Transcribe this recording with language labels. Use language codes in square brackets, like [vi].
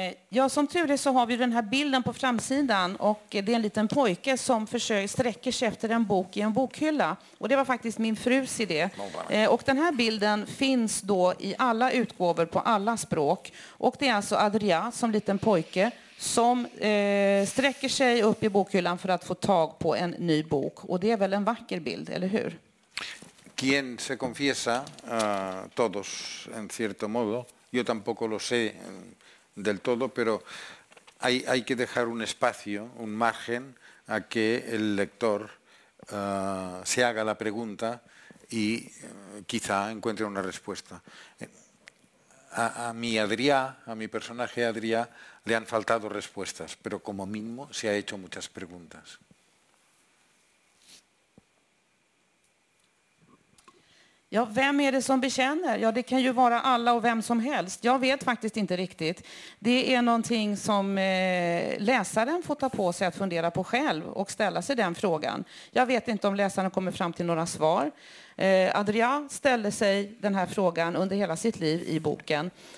[sv] Ja, som tur är så har vi den här bilden på framsidan, och det är en liten pojke som sträcker sig efter en bok i en bokhylla, och det var faktiskt min frus idé. Och den här bilden finns då i alla utgåvor på alla språk, och det är alltså Adria som liten pojke som sträcker sig upp i bokhyllan för att få tag på en ny bok, och det är väl en vacker bild, eller hur? [es] Quien se confiesa todos en cierto modo, yo tampoco lo sé del todo, pero hay que dejar un espacio, un margen a que el lector se haga la pregunta y quizá encuentre una respuesta. A mi Adrià, a mi personaje Adrià, le han faltado respuestas, pero como mínimo se ha hecho muchas preguntas. Mm. [sv] Ja, vem är det som bekänner? Ja, det kan ju vara alla och vem som helst. Jag vet faktiskt inte riktigt. Det är någonting som läsaren får ta på sig att fundera på själv och ställa sig den frågan. Jag vet inte om läsaren kommer fram till några svar. Adria ställde sig den här frågan under hela sitt liv i boken.